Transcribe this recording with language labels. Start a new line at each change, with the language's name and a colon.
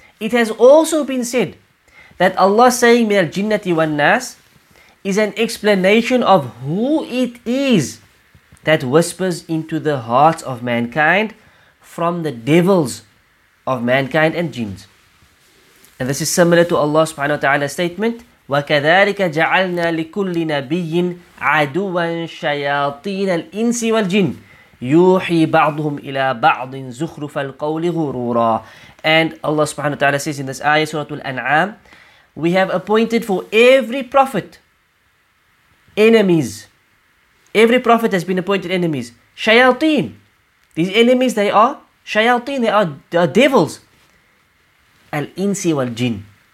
English: It has also been said that Allah saying
Arabic: min al-jinnati wa an-nas
English: is an explanation of who it is that whispers into the hearts of mankind from the devils of mankind and jinns. And this is similar to Allah subhanahu wa ta'ala's statement,
Arabic: وَكَذَٰلِكَ جَعَلْنَا لِكُلِّ نَبِيٍّ عَدُوًا شَيَاطِينَ الْإِنسِ وَالْجِنِّ يُوحِي بَعْضُهُمْ إِلَىٰ بَعْضٍ زُخْرُفَ الْقَوْلِ غُرُورًا.
English: And Allah subhanahu wa ta'ala says in this ayah, Surah Al-An'am, we have appointed for every prophet enemies. Every prophet has been appointed enemies. Shayateen. These enemies, they are shayateen. They are devils. Al-insi wal-jinn.